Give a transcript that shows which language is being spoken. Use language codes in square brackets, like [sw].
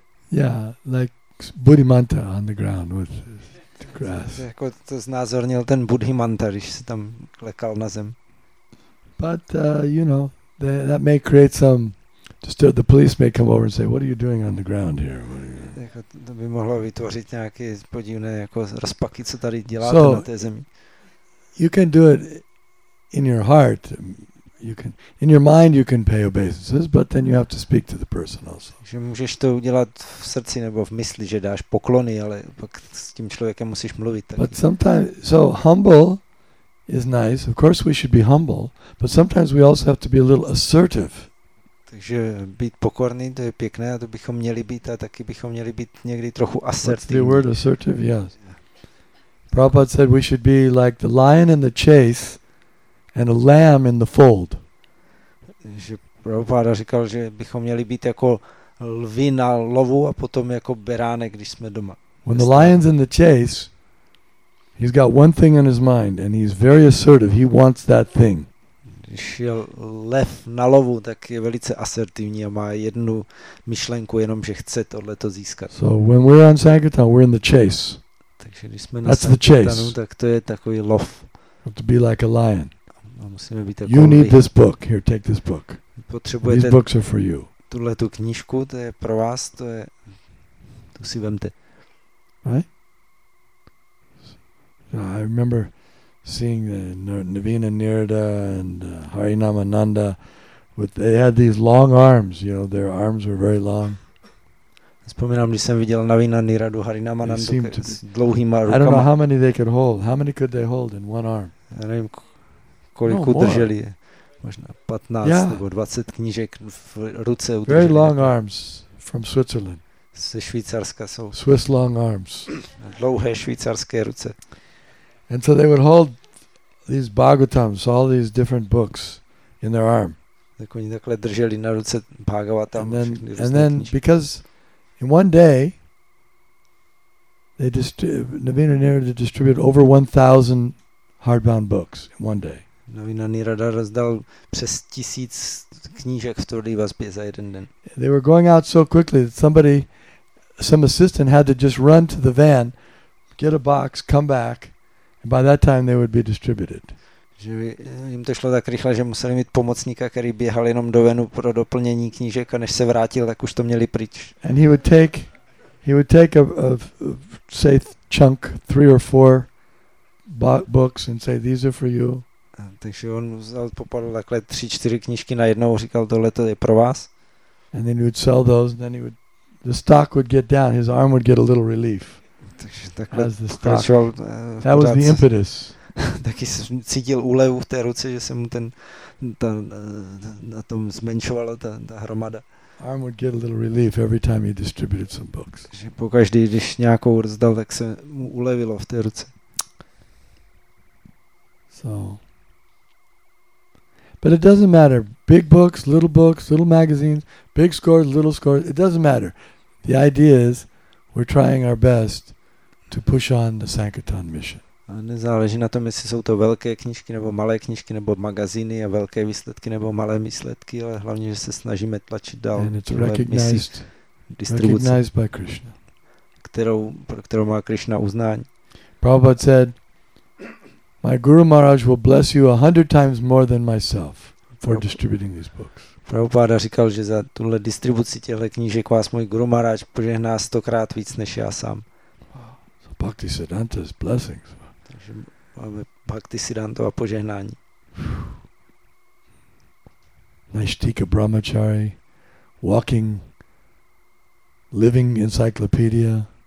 [en] Yeah, like Buddhimanta on the ground with the grass. [cs] Jako to znázornil ten Buddhimanta, když se tam lekal na zem. [en] But, you know, that may create some the police may come over and say, what are you doing on the ground here? [cs] To by mohlo vytvořit nějaké podivné jako rozpaky, co tady děláte so, na té zemi. [en] You can do it in your heart. You can in your mind you can pay obeisances, but then you have to speak to the person also. [cs] Že můžeš to udělat v srdci nebo v mysli, že dáš poklony, ale pak s tím člověkem musíš mluvit taky. [en] But sometimes so humble is nice. Of course we should be humble, but sometimes we also have to be a little assertive. [cs] Takže být pokorný, to je pěkné, a to bychom měli být, a taky bychom měli být někdy trochu asertivní. [en] What's the word assertive? Yes. Prabhupada said we should be like the lion in the chase and a lamb in the fold. [cs] Že Prabhupada říkal, že bychom měli být jako lvi na lovu a potom jako beránek, když jsme doma. [en] When the lion's in the chase, he's got one thing in his mind and he's very assertive. He wants that thing. [cs] Když je lev na lovu, tak je velice asertivní a má jednu myšlenku, jenom že chce tohle to získat. [en] So when we're on Sankirtan, we're in the chase. [cs] Takže když jsme na Sankirtanu, tak to je takový lov. [en] Have to be like a lion. [cs] A musíme být takový. [en] You need this book. Here, take this book. [cs] Potřebujete. [en] These books are for you. [cs] Tuhle tu knížku, to je pro vás, to je. To si vemte. [en] Right? I remember seeing the Navina Nirada and Harinamananda, with they had these long arms, you know, their arms were very long. [cs] Vzpomínám, když jsem viděl Navina Niradu, Harinamanandu s dlouhýma rukama. [en] I don't know how many they could hold. How many could they hold in one arm? [cs] Já nevím, kolik udrželi. Možná 15 nebo 20 knížek v ruce udrželi. [en] Very long arms from Switzerland. [cs] Ze Švýcarska jsou. [en] Swiss long arms. [cs] Dlouhé švýcarské ruce. [en] And so they would hold these Bhagavatams, all these different books, in their arm. [cs] Tak oni takhle drželi na ruce Bhagavatam. [en] And then because in one day, Navina Nirada distributed over 1,000 hardbound books in one day. [cs] Navina Nirada rozdal přes 1,000 knížek v tvrdý vazbě za jeden den. [en] They were going out so quickly that somebody, some assistant, had to just run to the van, get a box, come back. By that time they would be distributed. [cs] Že jim to šlo tak rychle, že museli mít pomocníka, který běhal jenom do venu pro doplnění knížek, a než se vrátil, tak už to měli pryč. [en] And he would take say chunk 3 or 4 books and say these are for you. [cs] A takže on vzal, popadl takhle 3-4 knížky na jednou, říkal tohle to je pro vás. [en] And then he would sell those, and then he would the stock would get down, his arm would get a little relief. [cs] Takže pokračoval, [en] that was the impetus. [cs] Taky jsem cítil úlevu v té ruce, že se mu ten ta, na tom zmenšovala ta hromada. [en] Arm would get a little relief every time he distributed some books. [cs] Že pokaždý, když nějakou rozdal, tak se mu ulevilo v té ruce. [en] So, but it doesn't matter. Big books, little books, little magazines, big scores, little scores. It doesn't matter. The idea is we're trying our best to push on the Sankirtan mission. [cs] A nezáleží na tom, jestli jsou to velké knížky nebo malé knížky nebo magazíny a velké výsledky nebo malé výsledky, ale hlavně, že se snažíme tlačit dál. [en] And it's recognized by Krishna. [cs] Kterou má Krishna uznání. [en] Prabhupada said, my Guru Maharaj will bless you 100 times more than myself for distributing these books. [cs] Prabhupada říkal, že za tuhle distribuci těchto knížek vás můj Guru Maharaj požehná 100x víc než já sám. [en] Bhakti Siddhanta's blessings. [cs] Takže máme Bhakti Siddhantova požehnání. [en] Naishtika Brahmachari, walking, living encyclopedia.